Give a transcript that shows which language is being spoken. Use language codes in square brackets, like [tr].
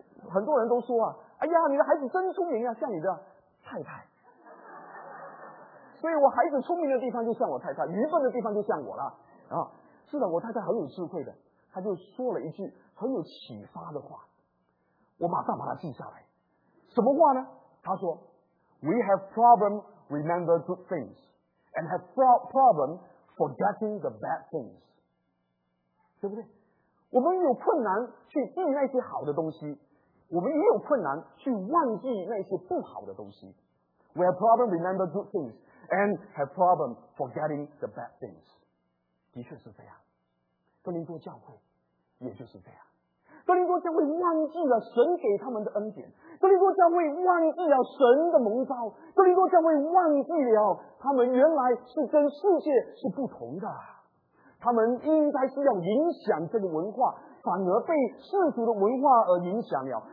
[zh] 很多人都说啊，哎呀，你的孩子真聪明啊，像你的太太。所以我孩子聪明的地方就像我太太，愚笨的地方就像我了啊！是的，我太太很有智慧的，她就说了一句很有启发的话，我马上把它记下来。什么话呢？她说 ：“ [en] We have problem remember good things, and have problem forgetting the bad things. [zh] 对不对？我们有困难去记那些好的东西，我们也有困难去忘记那些不好的东西。 [en] We have problem remember good things and have problem forgetting the bad things. [zh] 的确是这样，哥林多教会也就是这样。哥林多教会忘记了神给他们的恩典，哥林多教会忘记了神的蒙召，哥林多教会忘记了他们原来是跟世界是不同的，他们应该是要影响这个文化，反而被世俗的文化而影响了。